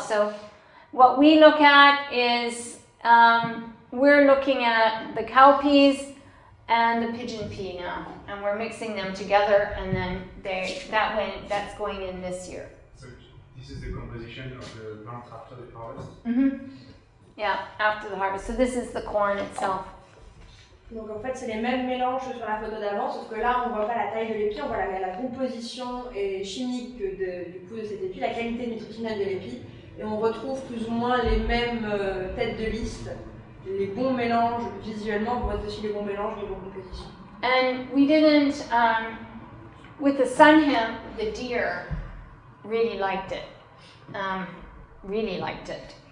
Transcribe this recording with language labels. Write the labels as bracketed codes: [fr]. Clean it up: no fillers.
[en] So what we look at is, we're looking at the cowpeas and the pigeon pea now, and we're mixing them together, and then that's going in this year. So this is the composition of the plant after the harvest? Mm-hmm. Yeah, after the harvest. So this is the corn itself. [fr] Donc en fait c'est les mêmes mélanges sur la photo d'avant, sauf que là on voit pas la taille de l'épi, on voit la composition et chimique du coup de cet épi, la qualité nutritionnelle de l'épi, et on retrouve plus ou moins les mêmes têtes de liste, les bons mélanges visuellement pour être aussi les bons mélanges niveau composition. [en] And we didn't with the sun hemp, the deer really liked it.